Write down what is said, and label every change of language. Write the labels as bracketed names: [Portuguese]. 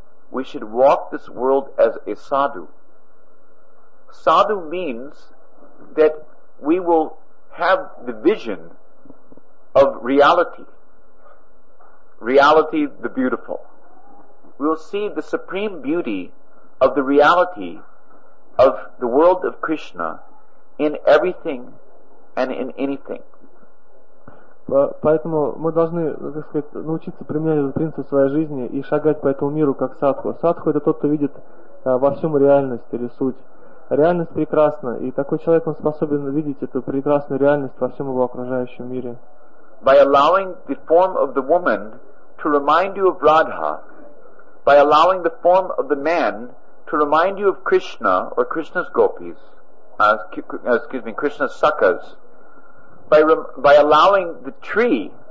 [English] We should walk this world as a sadhu. Sadhu means that we will have the vision of reality. Reality, the beautiful. We will see the supreme beauty of the reality of the world of Krishna in everything and in anything. [Russian] Поэтому мы должны, так сказать, научиться применять этот принцип в своей жизни и шагать по этому миру как садху. Садху — это тот, кто видит во всем реальность или суть. Реальность прекрасна, и такой человек, он способен видеть эту прекрасную реальность во всем его окружающем мире. [English] By allowing the form of the woman to remind you of Radha, by allowing the form of the man to remind you of Krishna or Krishna's gopis, Krishna's sakas, by allowing the tree,